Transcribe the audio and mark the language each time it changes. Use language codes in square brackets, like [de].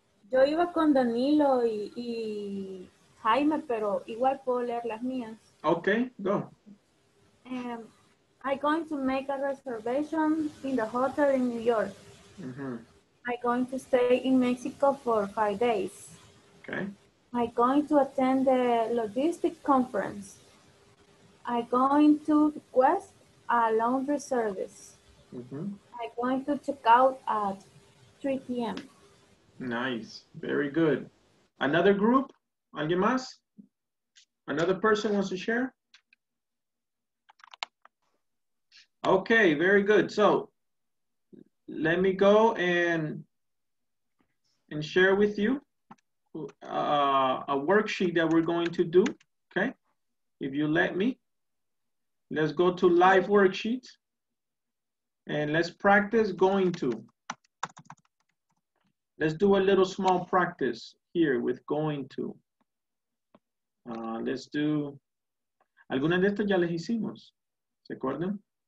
[es] Yo iba con Danilo y Jaime, pero igual puedo leer las mías. [en] Okay, go. I'm going to make a reservation in the hotel in New York. Mm-hmm. I'm going to stay in Mexico for 5 days. Okay. I'm going to attend the logistics conference. I'm going to request a laundry service. Mm-hmm. I'm going to check out at 3 p.m. Nice, very good. Another group, [es] alguien más? [en] Another person wants to share? Okay, very good. So let me go and share with you a worksheet that we're going to do, okay? If you let me. Let's go to live worksheet and let's practice going to. Let's do a little small practice here with going to. Let's do, [es] algunas de estas ya las hicimos, ¿se acuerdan?